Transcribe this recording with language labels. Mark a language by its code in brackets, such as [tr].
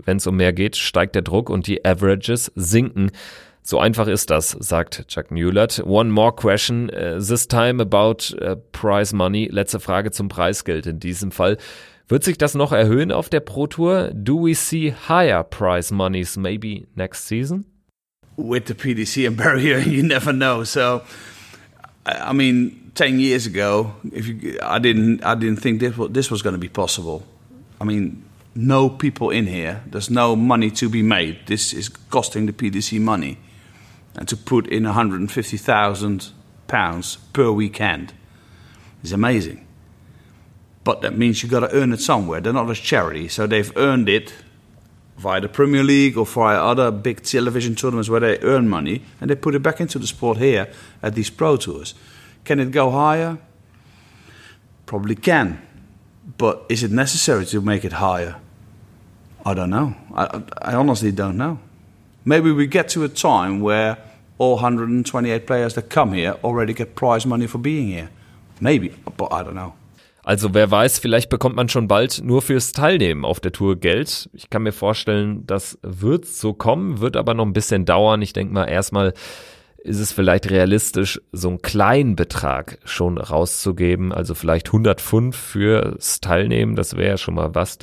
[de] Wenn es um mehr geht, steigt der Druck und die averages sinken. So einfach ist das, sagt Jack Newlett. [en] One more question, this time about prize money. [de] Letzte Frage zum Preisgeld in diesem Fall. Wird sich das noch erhöhen auf der Pro Tour? [en] Do we see higher prize monies maybe next season? With the PDC and Barrier, you never know. So, I mean, 10 years ago, I didn't think this was going to be possible. I mean, no people in here. There's no money to be made. This is costing the PDC money. And to put in £150,000 per weekend is amazing. But that means you got to earn it somewhere. They're not a charity, so they've earned it via the Premier League or via other big television tournaments where they earn money and they put it back into the sport here at these pro tours. Can it go higher? Probably can. But is it necessary to make it higher? I don't know. I honestly don't know. Maybe we get to a time where all 128 players that come here already get prize money for being here. Maybe, but I don't know. [de] Also wer weiß, vielleicht bekommt man schon bald nur fürs Teilnehmen auf der Tour Geld. Ich kann mir vorstellen, das wird so kommen, wird aber noch ein bisschen dauern. Ich denke mal, erstmal ist es vielleicht realistisch, so einen kleinen Betrag schon rauszugeben. Also vielleicht 105 fürs Teilnehmen, das wäre ja schon mal was.